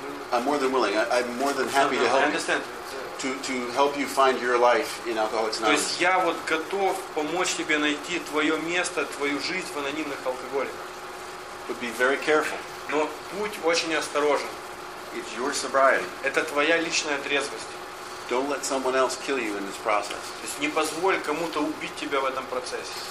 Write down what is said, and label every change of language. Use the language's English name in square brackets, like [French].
[English] I'm more than willing. I'm more than happy to help you. I understand. to help you find your life in Alcoholics Anonymous. [Russian] То есть я вот готов помочь тебе найти твое место, твою жизнь в анонимных алкоголиках. [English] But be very careful. [Russian] Но будь очень осторожен. [English] It's your sobriety. [Russian] Это твоя личная трезвость. [English] Don't let someone else kill you in this process. [Russian] То есть не позволь кому-то убить тебя в этом процессе.